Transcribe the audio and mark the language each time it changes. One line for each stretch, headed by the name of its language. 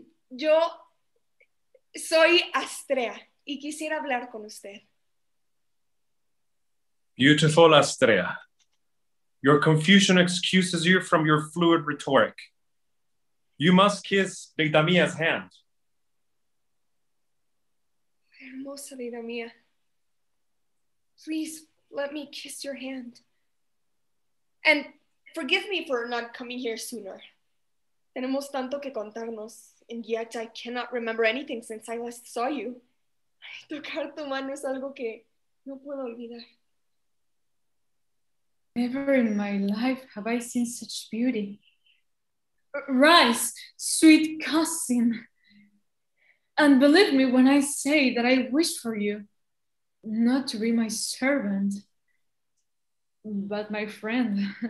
Spanish: Yo soy Astrea y quisiera hablar con usted.
English: Beautiful Astrea, your confusion excuses you from your fluid rhetoric. You must kiss Deidamia's hand. Hermosa Deidamia, please let me kiss your hand. And forgive me for not coming here sooner.
Spanish: Tenemos tanto que contarnos,
English: and yet I cannot remember anything since I last saw you.
Spanish: Tocar tu mano es algo que no puedo olvidar.
English: Never in my life have I seen such beauty. Rise, sweet cousin. And believe me when I say that I wish for you not to be my servant, but my friend.